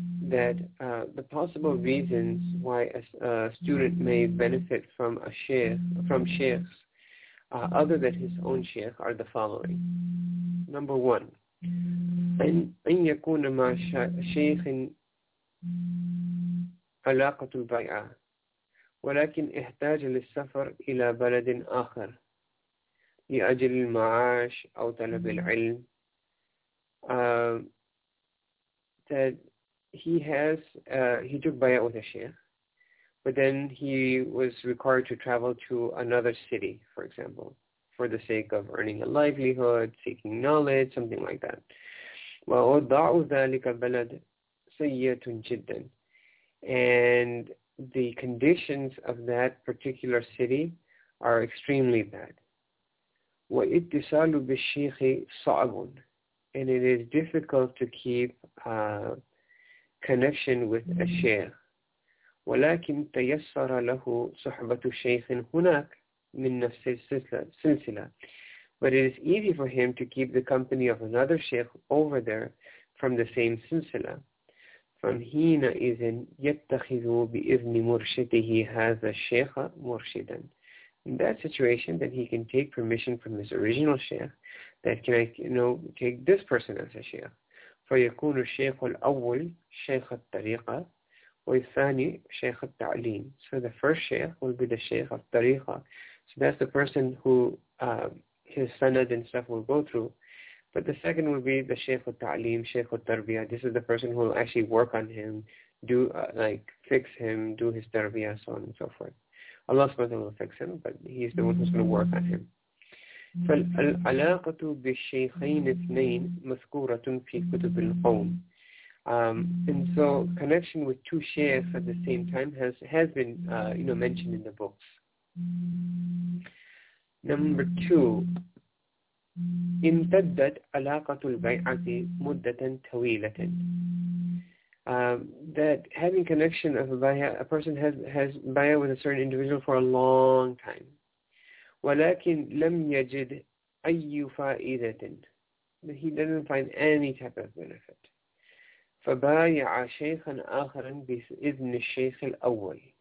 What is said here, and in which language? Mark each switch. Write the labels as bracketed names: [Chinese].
[English] That the possible reasons why a student may benefit from a sheikh, from sheikhs, other than his own sheikh, are the following. Number one, [Arabic] أن يكون مع شيخ علاقة البيعة ولكن احتاج للسفر إلى بلد آخر لأجل المعاش أو طلب العلم. [English] That he has, he took bay'ah with a sheikh, but then he was required to travel to another city, for example, for the sake of earning a livelihood, seeking knowledge, something like that. [Arabic] وَوَضَعُ ذَلِكَ بَلَدْ سَيِّئَةٌ جِدًّا. [English] And the conditions of that particular city are extremely bad. [Arabic] وَإِتِّصَالُ بِالشَّيْخِ صَعْبٌ. [English] And it is difficult to keep connection with a sheikh. [Arabic] ولكن تيسر له صحبة شيخ هناك من نفس السلسلة. [English] But it is easy for him to keep the company of another sheikh over there from the same سلسلة. [Arabic] فهنا إذا يتخذ بإذن مرشده هذا الشيخ مرشدا. [English] In that situation, then he can take permission from his original sheikh. That can I, you know, take this person as a sheikh. [Arabic] فيكون الشيخ الأول شيخ الطريقة والثاني شيخ التعليم. [English] So the first sheikh will be the sheikh of الطريقة. So that's the person who his sanad and stuff will go through. But the second will be the شيخ التعليم, شيخ التربية. This is the person who will actually work on him, do like fix him, do his تربية, so on and so forth. Allah subhanahu wa ta'ala will fix him, but he's the one who's going to work on him. [Arabic] فالعلاقة بالشيخين اثنين مذكورة في كتب القوم. [English] And so connection with two sheikhs at the same time has been you know, mentioned in the books. Number two, [Arabic] امتدت علاقة البيعة مدة طويلة. [English] That having connection of a person has bay'ah with a certain individual for a long time. [Arabic] ولكن لم يجد أي فائدة. [English] He didn't find any type of benefit. [Arabic] فبايع شيخا آخرا بإذن الشيخ الأول.